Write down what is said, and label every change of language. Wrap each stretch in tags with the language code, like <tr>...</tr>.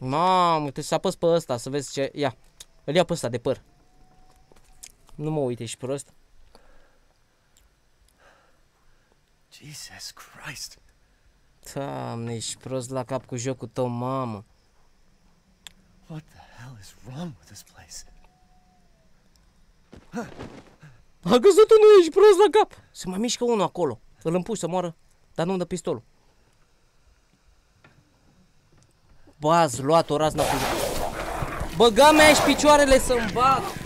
<ro>Mamă, trebuie să apăs pe ăsta, să vezi ce, ia. Îl iau pe ăsta de păr. Nu mă uite, ești prost.</ro> <en>Jesus Christ.</en> <ro>Doamne, ești prost la cap cu jocul tău, mamă.</ro> <en>What the hell is wrong with this place?</en> <ro>A găsut unul, ești prost la cap. Se mai mișcă unul acolo. Îl împuși să moară, dar nu-mi dă pistolul. Bă, ați luat-o razna cu jocul. Băga mea și picioarele să-mi bag.</ro>